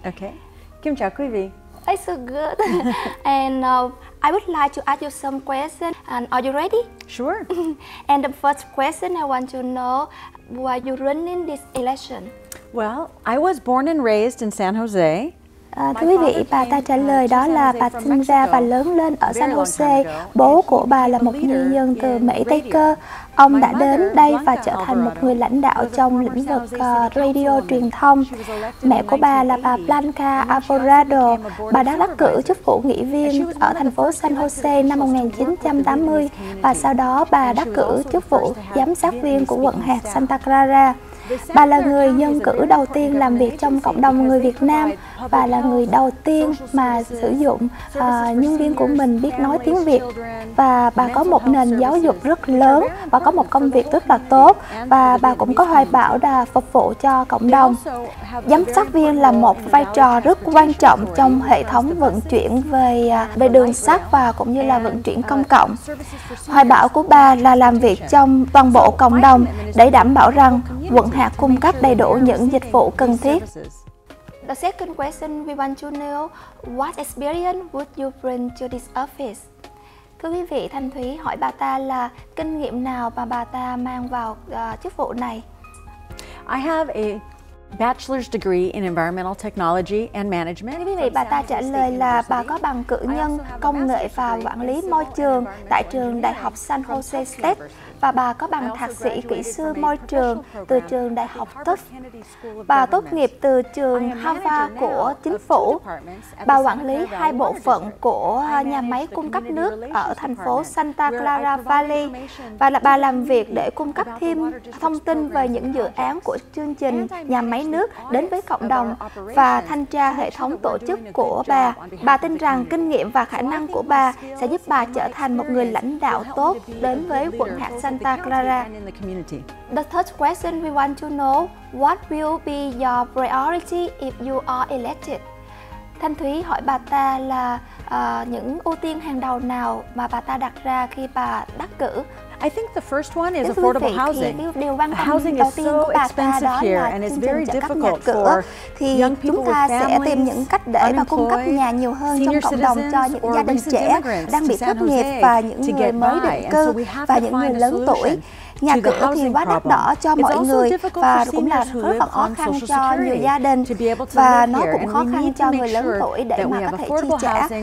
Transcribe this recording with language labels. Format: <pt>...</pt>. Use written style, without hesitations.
<vi>Okay. Kim chào quý vị.</vi> <en>It's so good. And I would like to ask you some questions. And are you ready? Sure. And the first question I want to know, why are you running this election? Well, I was born and raised in San Jose.</en> <vi>Thưa quý vị, bà ta trả lời đó là bà sinh ra và lớn lên ở San Jose. Bố của bà là một người dân từ Mỹ Tây Cơ. Ông đã đến đây và trở thành một người lãnh đạo trong lĩnh vực radio truyền thông. Mẹ của bà là bà Blanca Alvarado. Bà đã đắc cử chức vụ nghị viên ở thành phố San Jose năm 1980 và sau đó bà đắc cử chức vụ giám sát viên của quận hạt Santa Clara. Bà là người dân cử đầu tiên làm việc trong cộng đồng người Việt Nam và là người đầu tiên mà sử dụng nhân viên của mình biết nói tiếng Việt. Và bà có một nền giáo dục rất lớn và có một công việc rất là tốt. Và bà cũng có hoài bão là phục vụ cho cộng đồng. Giám sát viên là một vai trò rất quan trọng trong hệ thống vận chuyển về đường sắt và cũng như là vận chuyển công cộng. Hoài bão của bà là làm việc trong toàn bộ cộng đồng để đảm bảo rằng quận hạt cung cấp đầy đủ những dịch vụ cần thiết.</vi> <en>The second question we want to know, what experience would you bring to this office?</en> <vi>Thưa quý vị, Thanh Thúy hỏi bà ta là kinh nghiệm nào mà bà ta mang vào chức vụ này?</vi> <en>I have a bachelor's degree in environmental technology and management.</en> <vi>Thưa quý vị, bà ta trả lời là bà có bằng cử nhân công nghệ và quản lý môi trường tại trường Đại học San Jose State. Và bà có bằng thạc sĩ kỹ sư môi trường từ trường Đại học Tufts. Bà tốt nghiệp từ trường Harvard của chính phủ. Bà quản lý hai bộ phận của nhà máy cung cấp nước ở thành phố Santa Clara Valley. Và là bà làm việc để cung cấp thêm thông tin về những dự án của chương trình nhà máy nước đến với cộng đồng và thanh tra hệ thống tổ chức của bà. Bà tin rằng kinh nghiệm và khả năng của bà sẽ giúp bà trở thành một người lãnh đạo tốt đến với quận hạt Santa Clara.</vi> <en>The third question we want to know, what will be your priority if you are elected?</en> <vi>Thanh Thúy hỏi bà ta là những ưu tiên hàng đầu nào mà bà ta đặt ra khi bà đắc cử.</vi> <en>I think the first one is affordable housing.</en> <vi>Điều quan tâm housing đầu tiên của bà ta đó là chương trình trợ cấp nhà cửa. Thì chúng ta sẽ tìm những cách để mà cung cấp nhà nhiều hơn trong cộng đồng cho những gia đình trẻ đang bị thất nghiệp và những người mới định cư và những người lớn tuổi. Nhà cửa thì quá đắt đỏ cho mọi người và cũng là rất là khó khăn cho nhiều gia đình và nó cũng khó khăn cho người lớn tuổi để mà có thể chi trả.</vi>